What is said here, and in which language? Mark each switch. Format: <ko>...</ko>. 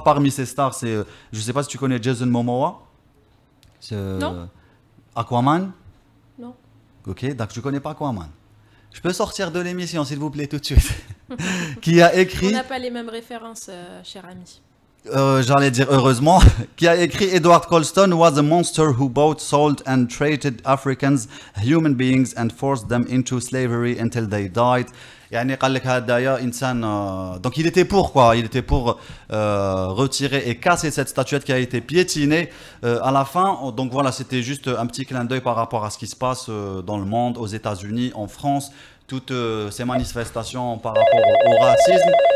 <fr>Parmi ces stars, c'est, je sais pas si tu connais Jason Momoa. C'est non. Aquaman. Non. Ok, donc tu connais pas Aquaman. Je peux sortir de l'émission s'il vous plaît tout de suite. Qui a écrit? On n'a pas les mêmes références, cher ami. J'allais dire heureusement. Qui a écrit</fr> <en>Edward Colston was a monster who bought, sold and traded Africans, human beings and forced them into slavery until they died.</en> <ar>يعني قال لك هذايا انسان.</ar> <fr>Donc il était pour quoi? Il était pour retirer et casser cette statuette qui a été piétinée à la fin. Donc voilà, c'était juste un petit clin d'œil par rapport à ce qui se passe dans le monde, aux États-Unis, en France, toutes ces manifestations par rapport au racisme.</fr>